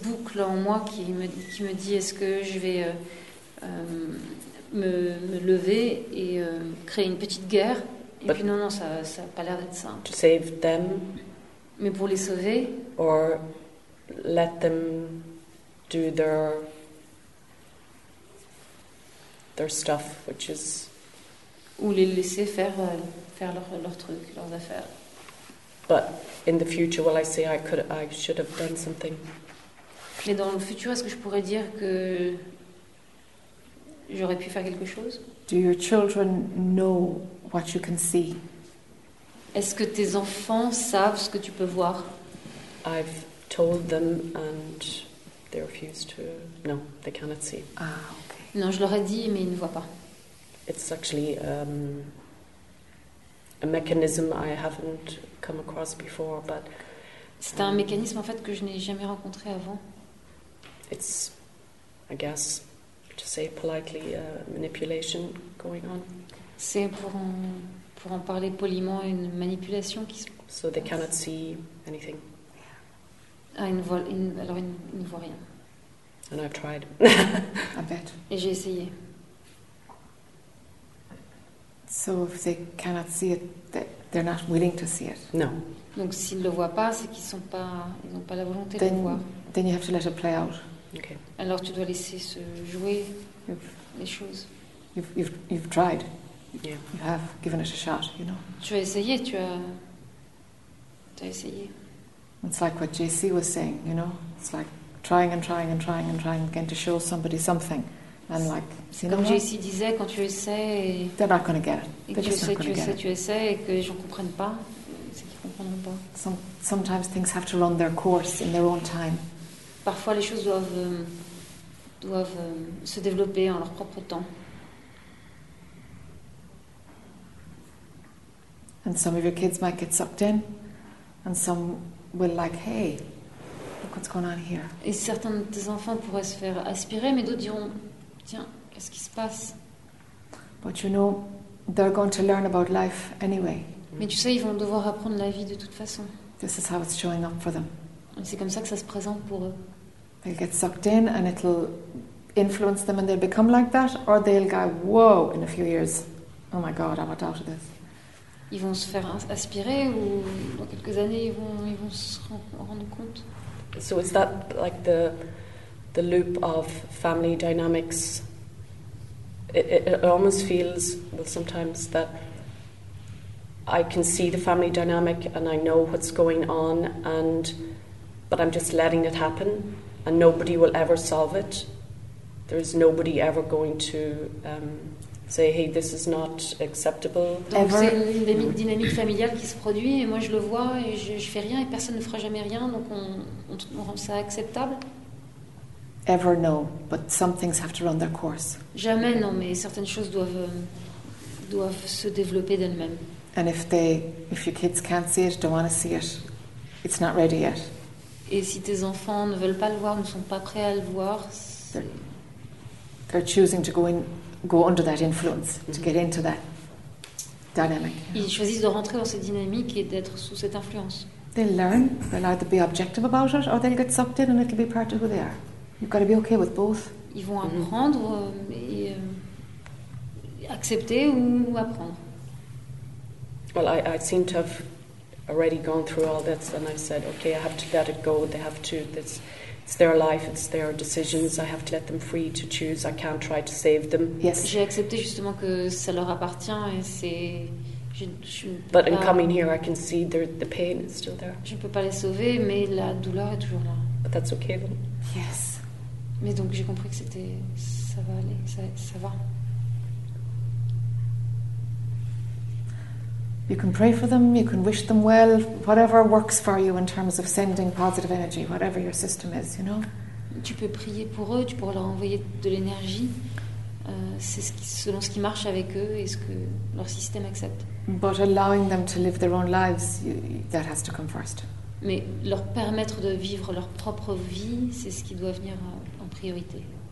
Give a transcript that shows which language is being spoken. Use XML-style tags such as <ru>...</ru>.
<fr>boucle en moi qui me dit est-ce que je vais me lever et créer une petite guerre. Et</fr> <en>but</en> <fr>puis non, ça n'a pas l'air d'être simple.</fr> <en>To save them,</en> <fr>mais pour les sauver.</fr> <en>Or let them do their stuff, which is.</en> <fr>Ou les laisser faire leur truc, leurs affaires.</fr> <en>But in the future, will I say I should have done something?</en> <fr>Mais dans le futur, est-ce que je pourrais dire que j'aurais pu faire quelque chose?</fr> <en>Do your children know what you can see?</en> <fr>Est-ce que tes enfants savent ce que tu peux voir?</fr> <en>I've told them and they refuse to. No, they cannot see. Ah, okay.</en> <fr>Non, je leur ai dit, mais ils ne voient pas.</fr> <en>It's actually a mechanism I haven't come across before, but</en> <fr>c'est un mécanisme en fait que je n'ai jamais rencontré avant.</fr> <en>It's, I guess, to say politely, manipulation going on.</en> <fr>C'est pour en parler poliment, une manipulation qui se passe.</fr> <en>So they cannot see anything.</en> <fr>Ah, ils ne voient rien.</fr> <en>And I've tried. I bet.</en> <fr>Et j'ai essayé.</fr> <en>So if they cannot see it, they're not willing to see it. No.</en> <fr>Donc s'ils ne le voient pas, c'est qu'ils sont pas, ils n'ont pas la volonté</fr> <en>then,</en> <fr>de le voir.</fr> <en>Then you have to let it play out. Okay.</en> <fr>Alors tu dois laisser se jouer les choses.</fr> <en>You've tried. Yeah. You have given it a shot, you know.</en> <fr>Tu as essayé.</fr> <en>It's like what JC was saying, you know. It's like trying and trying and trying and trying again to show somebody something, and like</en> <fr>c'est comme JC disait, quand tu essaies,</fr> <en>they're not going to get it.</en> <fr>Tu essaies et que les gens comprennent pas, c'est qu'ils comprennent pas.</fr> <en>Sometimes things have to run their course in their own time.</en> <fr>Parfois les choses doivent se développer en leur propre temps.</fr> <en>And some of your kids might get sucked in, and some will like, hey, look what's going on here.</en> <fr>Et certains de tes enfants pourraient se faire aspirer, mais d'autres diront, tiens, qu'est-ce qui se passe?</fr> <en>But you know, they're going to learn about life anyway.</en> <fr>Mais tu sais, ils vont devoir apprendre la vie de toute façon.</fr> <en>This is how it's showing up for them.</en> <fr>Et c'est comme ça que ça se présente pour eux.</fr> <en>They'll get sucked in, and it'll influence them, and they'll become like that, or they'll go, whoa, in a few years, oh my God, I'm a doubt of this.</en> <fr>Ils vont se faire aspirer ou dans quelques années ils vont se rendre compte.</fr> <en>So is that like the loop of family dynamics it almost feels, well, sometimes that I can see the family dynamic and I know what's going on, and but I'm just letting it happen, and nobody will ever solve it. There is nobody ever going to say, hey, this is not acceptable.</en> <fr>Donc c'est une dynamique familiale qui se produit, et moi je le vois et je fais rien et personne ne fera jamais rien, donc on rend ça acceptable.</fr> <en>Ever, no, but some things have to run their course.</en> <fr>Jamais, non, mais certaines choses doivent se développer d'elles-mêmes.</fr> <en>And if your kids can't see it, don't want to see it, it's not ready yet.</en> <fr>Et si tes enfants ne veulent pas le voir, ne sont pas prêts à le voir,</fr> <en>they're choosing to go under that influence, mm-hmm. to get into that dynamic.</en> <fr>Ils</fr> <en>know.</en> <fr>Choisissent de rentrer dans cette dynamique et d'être sous cette influence.</fr> <en>They'll learn, they'll either be objective about it, or they'll get sucked in and it'll be part of who they are. You've got to be okay with both.</en> <fr>Ils vont apprendre et accepter ou apprendre.</fr> <en>Well, I seem to have already gone through all this, and I said, okay, I have to let it go. They have to. It's their life. It's their decisions. I have to let them free to choose. I can't try to save them. Yes.</en> <fr>J'ai accepté justement que ça leur appartient, et c'est.</fr> <en>But in coming here, I can see the pain is still there.</en> <fr>Je ne peux pas les sauver, mais la douleur est toujours là.</fr> <en>But that's okay then. Yes.</en> <fr>Mais donc j'ai compris que c'était ça va aller, ça va.</fr> <en>You can pray for them, you can wish them well, whatever works for you in terms of sending positive energy, whatever your system is, you know.</en> <fr>Tu peux prier pour eux, tu pourras leur envoyer de l'énergie. C'est selon ce qui marche avec eux et ce que leur système accepte.</fr> <en>But allowing them to live their own lives, that has to come first.</en> <fr>Mais leur permettre de vivre leur propre vie, c'est ce qui doit venir en priorité.</fr>